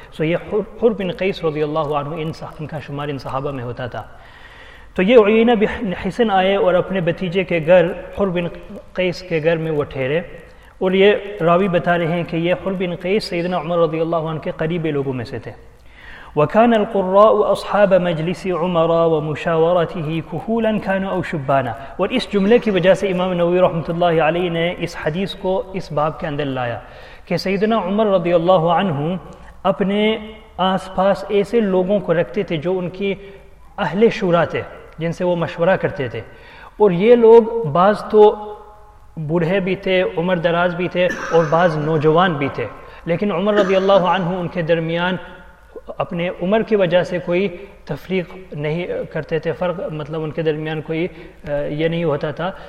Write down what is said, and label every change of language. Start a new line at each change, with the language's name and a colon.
Urdu: سو یہ حر بن قیس رضی اللہ عنہ ان کا شمار ان صحابہ میں ہوتا تھا. تو یہ عیینہ بن حصن آئے اور اپنے بتیجے کے گھر حر بن قیس کے گھر میں وہ ٹھہرے, اور یہ راوی بتا رہے ہیں کہ یہ حر بن قیس سیدنا عمر رضی اللہ عنہ کے قریبی لوگوں میں سے تھے.
Arabic: وكان القراء اصحاب مجلس عمر ومشاورته كهولا كانوا او شبانا.
Urdu: اور اس جملے کی وجہ سے امام نووی رحمۃ اللہ علیہ نے اس حدیث کو اس باب کے اندر لایا کہ سیدنا عمر رضی اللہ عنہ اپنے آس پاس ایسے لوگوں کو رکھتے تھے جو ان کی اہل شورا تھے, جن سے وہ مشورہ کرتے تھے. اور یہ لوگ بعض تو بوڑھے بھی تھے, عمر دراز بھی تھے, اور بعض نوجوان بھی تھے, لیکن عمر رضی اللہ عنہ ان کے درمیان اپنے عمر کی وجہ سے کوئی تفریق نہیں کرتے تھے, فرق مطلب ان کے درمیان کوئی یہ نہیں ہوتا تھا.